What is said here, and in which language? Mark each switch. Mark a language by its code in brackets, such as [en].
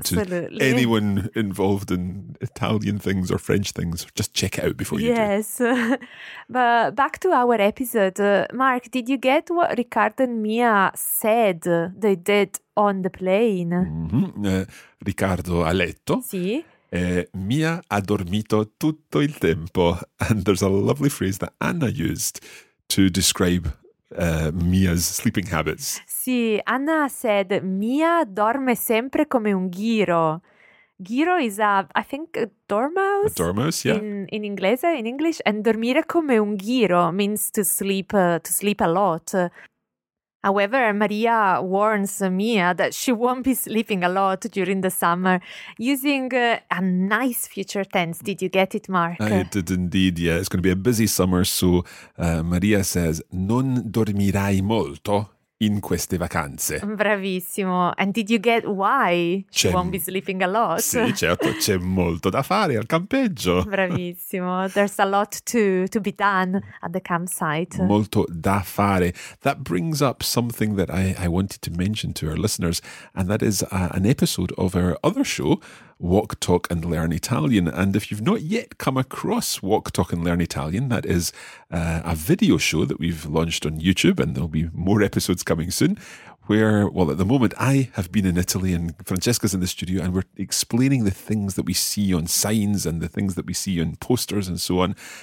[en] Absolutely. To anyone involved in Italian things or French things, just check it out before you do. Yes. But back to our episode. Mark, did you get what Riccardo and Mia said they did on the plane? [it] Mm-hmm. Riccardo ha letto. Sì. Mia ha dormito tutto il tempo. [en] And there's a lovely phrase that Anna used to describe Mia's sleeping habits. [it] Sì, [en] Anna said [it] Mia dorme sempre come un ghiro. [en] Ghiro is a, I think, a dormouse. A dormouse, yeah. [it] In inglese, [en] in English, and [it] dormire come un ghiro [en] means to sleep a lot. However, Maria warns Mia that she won't be sleeping a lot during the summer using a nice future tense. Did you get it, Mark? I did indeed, yeah. It's going to be a busy summer, so Maria says, [it] non dormirai molto in queste vacanze. Bravissimo. [en] And did you get why she won't be sleeping a lot? [it] Sì, certo, c'è molto da fare al campeggio. Bravissimo. [en] There's a lot to be done at the campsite. [it] Molto da fare. [en] That brings up something that I wanted to mention to our listeners, and that is an episode of our other show, Walk, Talk and Learn Italian. And if you've not yet come across Walk, Talk and Learn Italian, that is a video show that we've launched on YouTube, and there'll be more episodes coming soon, where, well, at the moment I have been in Italy and Francesca's in the studio, and we're explaining the things that we see on signs and the things that we see on posters and so on.